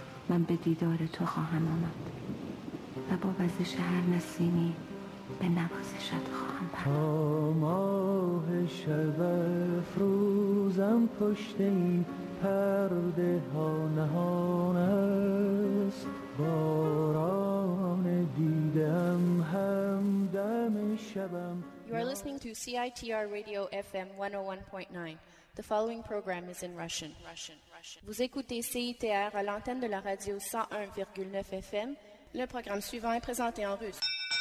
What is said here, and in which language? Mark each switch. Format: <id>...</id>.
<fa>من به دیدار تو خواهم آمد و با وزش هر نسیمی به نوازشت خواهم برد. تا ماه شب افروزم پشت این پرده ها نهان است، باران دیدم هم دم شبم.</fa> <en>You are listening to CITR Radio FM 101.9. The following program is in Russian.</en> <fr>Vous écoutez CITR à l'antenne de la radio 101,9 FM. Le programme suivant est présenté en russe.</fr>